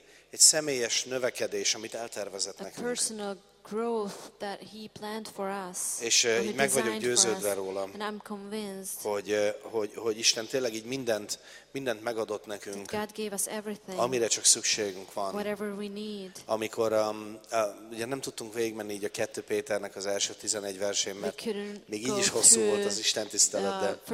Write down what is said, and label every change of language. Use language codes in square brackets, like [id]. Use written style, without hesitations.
[hu] Egy személyes növekedés, amit eltervezett nekünk. [en] A personal growth that he planned for us. [hu] És így meg vagyok győződve róla. [en] And I'm convinced. [hu] Hogy Isten tényleg így mindent megadott nekünk. [en] God gave us everything. [hu] Amire csak szükségünk van. [en] Whatever we need. [hu] Amikor ugye nem tudtunk végigmenni így a 2 Péternek az első 11 versén, mert még így is hosszú volt az Isten tisztelet, de